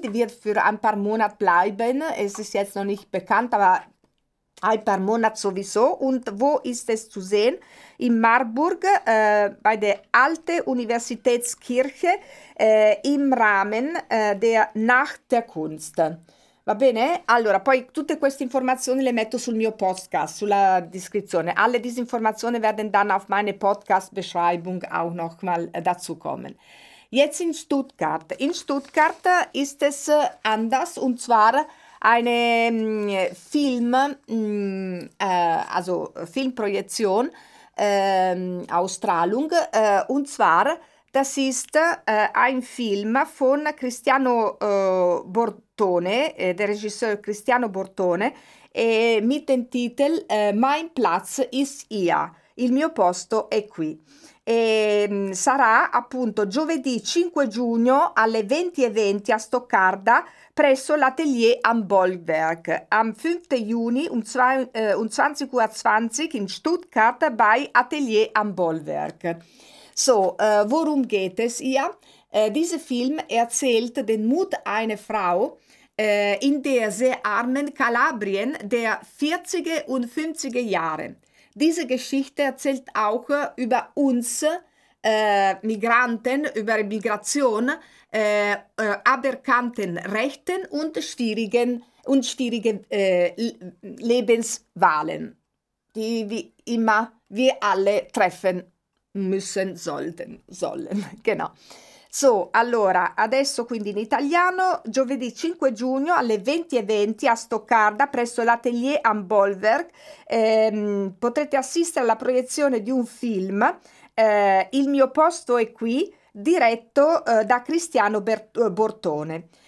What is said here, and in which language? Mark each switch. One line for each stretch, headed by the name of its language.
German: Die wird für ein paar Monate bleiben. Es ist jetzt noch nicht bekannt, aber ein paar Monate sowieso. Und wo ist es zu sehen? In Marburg, bei der Alte Universitätskirche, im Rahmen der Nacht der Kunst.
Italian: Va bene? Allora, poi tutte queste informazioni le metto sul mio podcast, sulla descrizione.
German: Alle diese Informationen werden dann auf meine Podcast-Beschreibung auch nochmal dazu kommen. Jetzt in Stuttgart. In Stuttgart ist es anders, und zwar eine Filmprojektion, Ausstrahlung, und zwar, das ist ein Film von Cristiano Bordone, der Regisseur Cristiano Bordone, mit dem Titel Mein Platz ist hier,
Italian: il mio posto è qui. Sarà appunto giovedì 5 giugno alle 20:20 a Stoccarda presso l'Atelier am Bollwerk,
German: am 5. Juni um 20:20 in Stuttgart bei Atelier am Bollwerk. So, worum geht es hier? Dieser Film erzählt den Mut einer Frau in der sehr armen Kalabrien der 40er und 50er Jahre. Diese Geschichte erzählt auch über uns Migranten, über Migration, aberkannten Rechten und schwierigen Lebenswahlen, die wir alle treffen müssen sollen. Genau.
Italian: So, allora, adesso quindi in italiano, giovedì 5 giugno alle 20:20 a Stoccarda presso l'Atelier am Bollwerk potrete assistere alla proiezione di un film, Il mio posto è qui, diretto da Cristiano Bordone.